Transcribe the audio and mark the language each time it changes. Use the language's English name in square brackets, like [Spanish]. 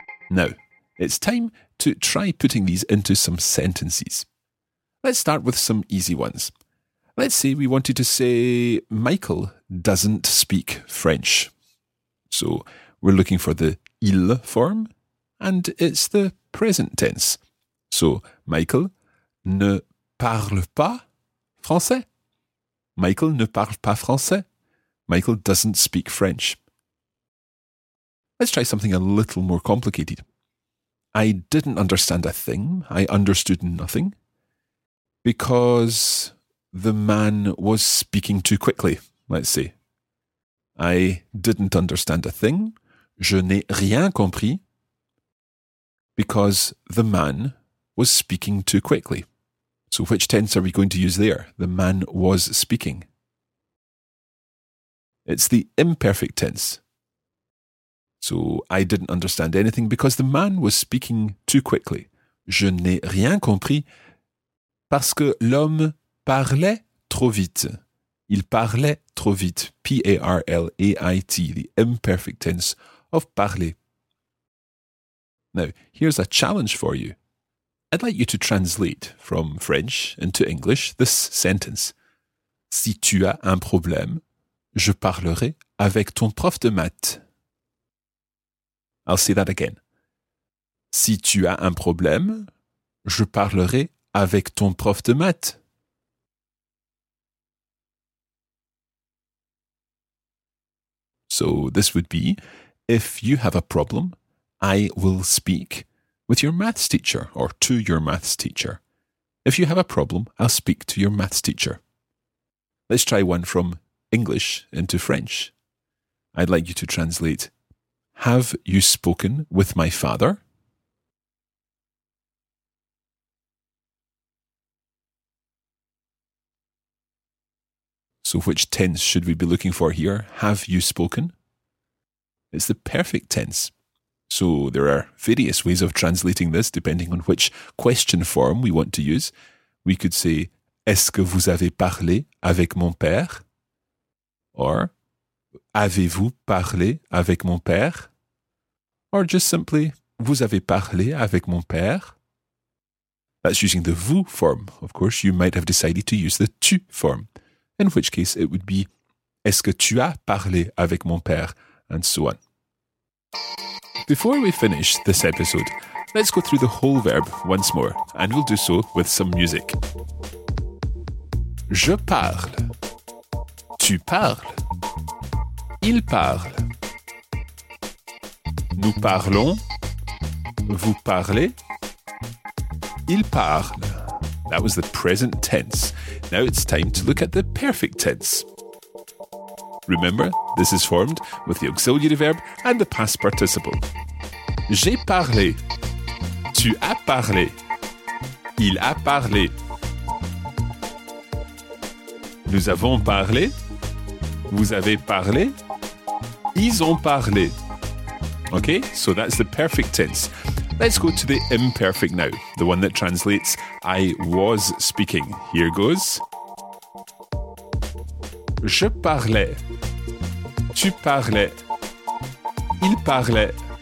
[English] Now, it's time to try putting these into some sentences. Let's start with some easy ones. Let's say we wanted to say, Michael doesn't speak French. So we're looking for the il form, and it's the present tense. So [French] Michael ne parle pas français. Michael ne parle pas français. [English] Michael doesn't speak French. Let's try something a little more complicated. I didn't understand a thing. I understood nothing. Because the man was speaking too quickly, let's say. I didn't understand a thing. [French] Je n'ai rien compris. [English] Because the man was speaking too quickly. So which tense are we going to use there? The man was speaking. It's the imperfect tense. So, I didn't understand anything because the man was speaking too quickly. [French] Je n'ai rien compris parce que l'homme parlait trop vite. Il parlait trop vite. P-A-R-L-A-I-T. [English] The imperfect tense of parler. Now, here's a challenge for you. I'd like you to translate from French into English this sentence. [French] Si tu as un problème, je parlerai avec ton prof de maths. [English] I'll say that again. [French] Si tu as un problème, je parlerai avec ton prof de maths. [English] So this would be, if you have a problem, I will speak with your maths teacher or to your maths teacher. If you have a problem, I'll speak to your maths teacher. Let's try one from English into French. I'd like you to translate. Have you spoken with my father? So which tense should we be looking for here? Have you spoken? It's the perfect tense. So there are various ways of translating this depending on which question form we want to use. We could say, [French] Est-ce que vous avez parlé avec mon père? [English] Or, [French] Avez-vous parlé avec mon père? [English] Or just simply, [French] vous avez parlé avec mon père? [English] That's using the vous form. Of course, you might have decided to use the tu form, in which case it would be, [French] est-ce que tu as parlé avec mon père? [English] And so on. Before we finish this episode, let's go through the whole verb once more, and we'll do so with some music. [French] Je parle. Tu parles. Il parle. Nous parlons, vous parlez, il parle. [English] That was the present tense. Now it's time to look at the perfect tense. Remember, this is formed with the auxiliary verb and the past participle. [French] J'ai parlé, tu as parlé, il a parlé. Nous avons parlé, vous avez parlé, ils ont parlé. [English] Okay, so that's the perfect tense. Let's go to the imperfect now, the one that translates, I was speaking. Here goes. [French] Je parlais. Tu parlais. Il parlait.